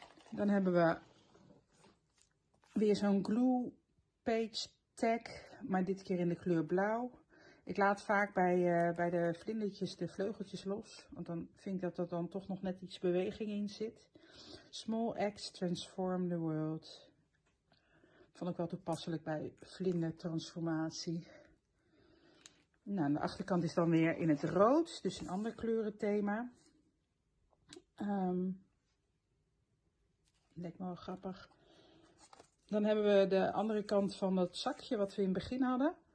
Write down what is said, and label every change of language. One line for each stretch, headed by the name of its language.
Dutch: Dan hebben we weer zo'n glue page tag, maar dit keer in de kleur blauw. Ik laat vaak bij de vlindertjes de vleugeltjes los. Want dan vind ik dat er dan toch nog net iets beweging in zit.
English: Small acts transform the world.
Dutch: Vond ik wel toepasselijk bij vlindertransformatie. Nou, aan de achterkant is dan weer in het rood. Dus een ander kleurenthema. Lijkt me wel grappig. Dan hebben we de andere kant van dat zakje wat we in het begin hadden.